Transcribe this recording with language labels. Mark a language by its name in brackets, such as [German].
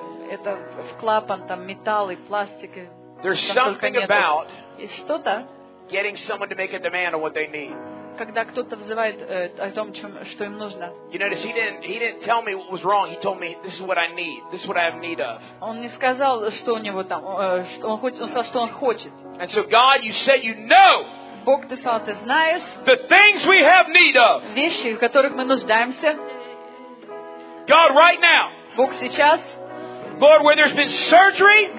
[Russian] Это в клапан там металл и пластик. [English] There's something about. [Russian] И что-то. [English] Getting someone to make a demand on what they need. [Russian] Когда кто-то взывает о том, что им нужно. [English] You notice he didn't tell me what was wrong. He told me this is what I need. This is what I have need of. [Russian] Он не сказал, что у него там, что он хочет, он сказал, что он хочет. [English] And so God, you said you know. [Russian] Бог, ты сказал, ты знаешь. [English] The things we have need of. [Russian] Вещи, в которых мы нуждаемся. [English] God, right now. [Russian] Бог, сейчас. [English] Lord, where there's been surgery.